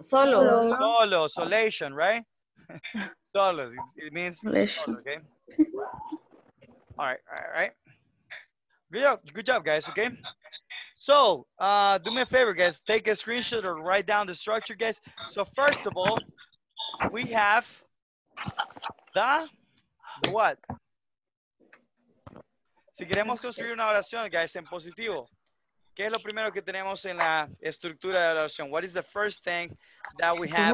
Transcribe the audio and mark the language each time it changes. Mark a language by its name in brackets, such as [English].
[English] Solo, solation, right? Solo, it means solo, okay? All right. Good job, guys, okay? So, do me a favor, guys. Take a screenshot or write down the structure, guys. So, first of all, we have the what? [Spanish] Si queremos construir una oración, guys, en positivo. ¿Qué es lo primero que tenemos en la estructura de la oración? [English] What is the first thing that we have